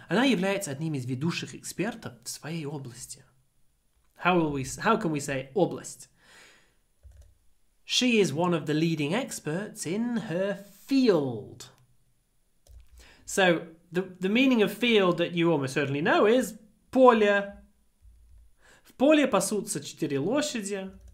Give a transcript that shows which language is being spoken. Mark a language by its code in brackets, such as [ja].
[ru] Она является одним из ведущих экспертов в своей области. [en] How can we say област? She is one of the leading experts in her field. So, the meaning of field that you almost certainly know is поле. [ru] В поле пасутся четыре лошади.